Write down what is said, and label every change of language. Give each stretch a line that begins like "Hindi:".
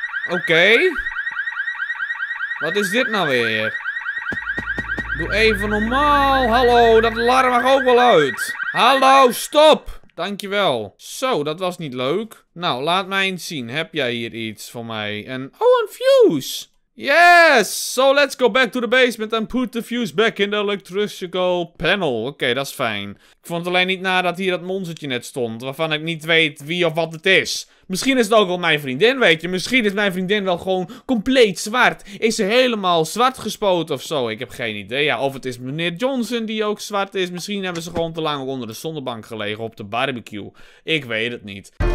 Dutch: Oké. Wat is dit nou weer? Doe even normaal. Hallo, dat alarm mag ook wel uit. Hallo, stop. Dankjewel. Zo, dat was niet leuk. Nou, laat mij eens zien. Heb jij hier iets voor mij? En... Oh, een fuse. Yes.
English: So, let's go back to the basement and put the fuse back in the electrical panel.
Dutch: Oké, dat is fijn. Ik vond het alleen niet na dat hier dat monstertje net stond. Waarvan ik niet weet wie of wat het is. Misschien is het ook wel mijn vriendin, weet je. Misschien is mijn vriendin wel gewoon compleet zwart. Is ze helemaal zwart gespoten of zo? Ik heb geen idee. Ja, of het is meneer Johnson die ook zwart is. Misschien hebben ze gewoon te lang onder de zonnebank gelegen op de barbecue. Ik weet het niet.